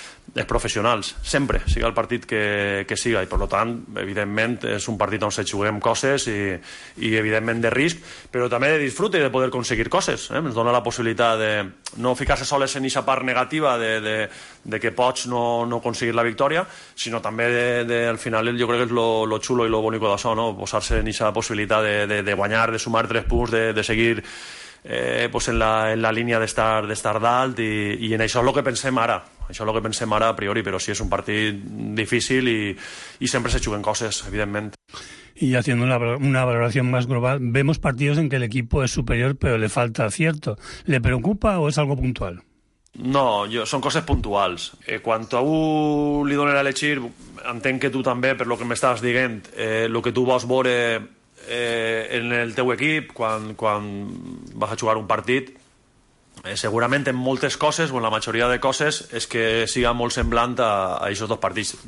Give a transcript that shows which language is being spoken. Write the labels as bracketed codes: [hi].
[ca] els professionals, sempre, sigui el partit que siga, i per tant evidentment és un partit on se juguem coses i evidentment de risc, però també de disfrute i de poder aconseguir coses, ens dona la possibilitat de no ficar-se soles en aquesta part negativa de que pots no aconseguir la victòria, sinó també de al final jo crec que és lo xulo i lo bonico d'això, no? Posar-se en aquesta possibilitat de guanyar, de sumar tres punts, de seguir pues en la línia d'estar dalt i en això és el que pensem ara. Això és el que pensem ara a priori, però sí, és un partit difícil i sempre se juguen coses, evidentment. [es] Y haciendo una valoración más global, vemos partidos en que el equipo es superior pero le falta acierto. ¿Le preocupa o es algo puntual? [ca] No, son coses puntuals. Quan a algú li donen a elegir, entenc que tu també, per lo que m'estàs dient, el que tu vols veure en el teu equip quan vas a jugar un partit, segurament en moltes coses, o en la majoria de coses, és que siga molt semblant a aquests dos partits.